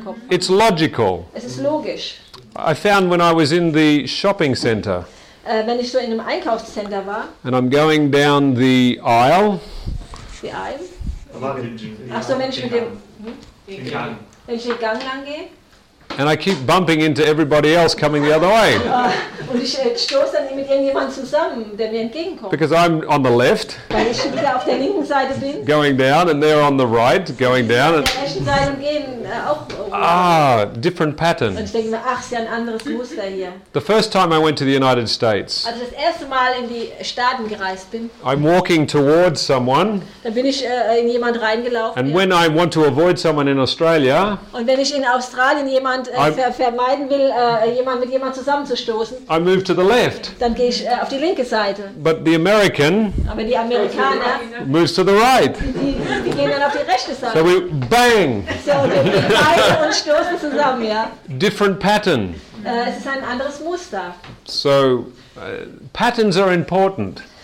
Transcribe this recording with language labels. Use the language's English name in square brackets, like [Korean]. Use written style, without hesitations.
[English] It's logical. I found when I was in the shopping center. [German] Wenn ich so in einem Einkaufszentrum war. [English] And I'm going down the aisle. The aisle? [German] Ach so, Mensch, mit dem... Wenn ich den Gang lang gehe, [English] And I keep bumping into everybody else coming the other way. [German] Und ich stoße dann mit irgendjemand zusammen, der mir entgegenkommt. [English] Because I'm on the left. [German] Weil ich schon wieder auf der linken Seite bin. [English] Going down and they're on the right, going down. [German] Auf der rechten Seite gehen auch. [English] Ah, different pattern. [German] Und ich denke mir, ach, ist ja ein anderes Muster hier. [English] The first time I went to the United States. [German] Als ich das erste Mal in die Staaten gereist bin. [English] I'm walking towards someone. [German] Dann bin ich in jemand reingelaufen. [English] And when I want to avoid someone in Australia. [German] Und wenn ich in Australien jemand vermeiden will, jemand mit jemand zusammenzustoßen. [English] I move to the left. [German] Dann gehe ich auf die linke Seite. [English] But the American. [German] Aber die Amerikaner. [English] Moves to the right. [German] Die gehen dann auf die rechte Seite. [English] So we bang. [German] So wir beide und stoßen zusammen, ja. [English] Different pattern. [German] Es ist ein anderes Muster. [English] So patterns are important.